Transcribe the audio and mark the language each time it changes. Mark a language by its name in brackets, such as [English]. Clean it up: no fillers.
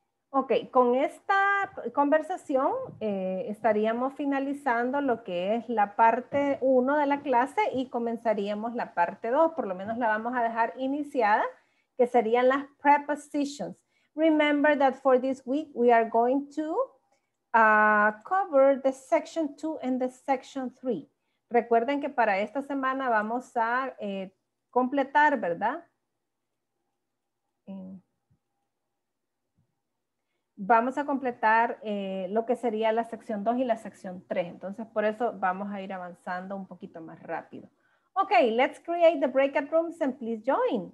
[Spanish] Okay, con esta conversación estaríamos finalizando lo que es la parte 1 de la clase y comenzaríamos la parte 2, por lo menos la vamos a dejar iniciada, que serían las prepositions. [English] Remember that for this week we are going to cover the section 2 and the section 3. [Spanish] Recuerden que para esta semana vamos a completar, ¿verdad? Vamos a completar lo que sería la sección 2 y la sección 3. Entonces, por eso vamos a ir avanzando un poquito más rápido. [English] Ok, let's create the breakout rooms and please join.